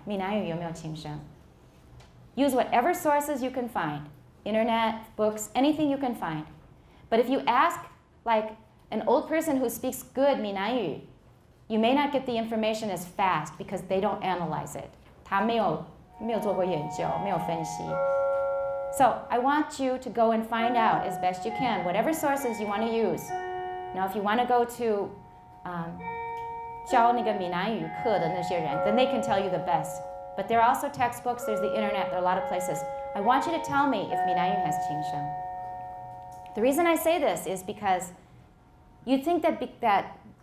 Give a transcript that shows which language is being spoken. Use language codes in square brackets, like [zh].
[zh] 闽南语有没有轻声? [en] Use whatever sources you can find. Internet, books, anything you can find. But if you ask like an old person who speaks good 闽南语, you may not get the information as fast because they don't analyze it. [zh] 他没有做过研究,没有分析。 [en] So I want you to go and find out as best you can whatever sources you want to use. Now, if you want to go to [zh] 教那个闽南语课的那些人 [en] then they can tell you the best. But there are also textbooks. There's the internet. There are a lot of places. I want you to tell me if 闽南语 has 轻声. The reason I say this is because you'd think that